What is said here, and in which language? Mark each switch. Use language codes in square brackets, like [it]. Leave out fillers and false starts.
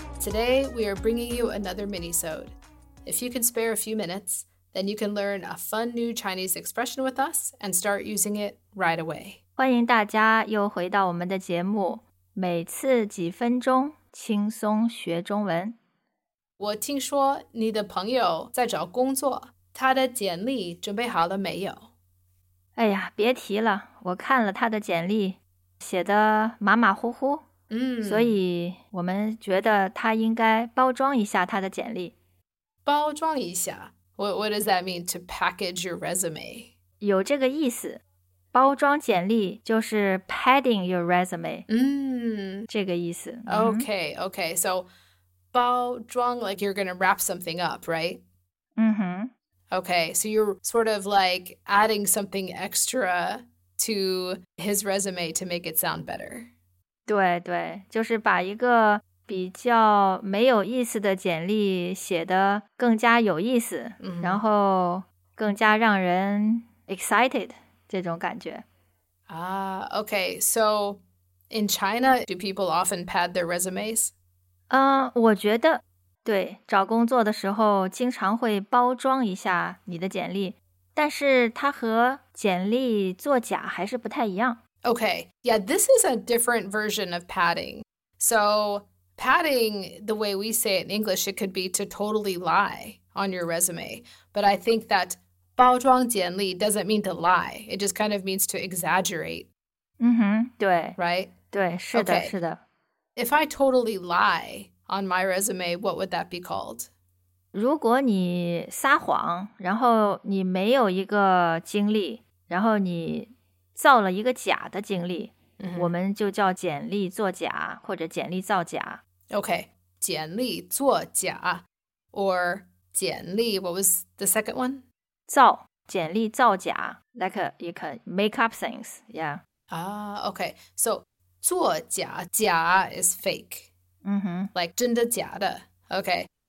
[en] Today, we are bringing you another mini-sode. If you can spare a few minutes, then you can learn a fun new Chinese expression with us and start using it right away. [zh] 欢迎大家又回到我们的节目。每次几分钟，轻松学中文。我听说你的朋友在找工作，他的简历准备好了没有？哎呀，别提了，我看了他的简历，写得马马虎虎。所以我们觉得他应该包装一下他的简历。包装一下？ [en] What does that mean, to package your resume? [zh] 有这个意思。包装简历就是 [en] padding your resume。 [zh] 这个意思。 [en] Okay, so 包装 like you're gonna wrap something up, right? Okay, so you're sort of like adding something extra to his resume to make it sound better. [zh] 对对，就是把一个比较没有意思的简历写得更加有意思，然后更加让人 excited 这种感觉。 [en] Okay, so in China, do people often pad their resumes? [zh] 我觉得对，找工作的时候经常会包装一下你的简历，但是它和简历作假还是不太一样。 [en] Okay, yeah, this is a different version of padding. So padding, the way we say it in English, it could be to totally lie on your resume. But I think that 包装简历 doesn't mean to lie. It just kind of means to exaggerate. [zh] 对。 [en] Right? [zh] 对，是的，是的。 [en] If I totally lie on my resume, what would that be called? [zh] 如果你撒谎，然后你没有一个经历，然后你造了一个假的经历，我们就叫简历作假或者简历造假。 [en] Okay, 简历作假 or 简历 what was the second one? 造，简历造假 like you can make up things, yeah. Okay, so 作假，假 is fake, like [zh] 真的假的 [en] okay.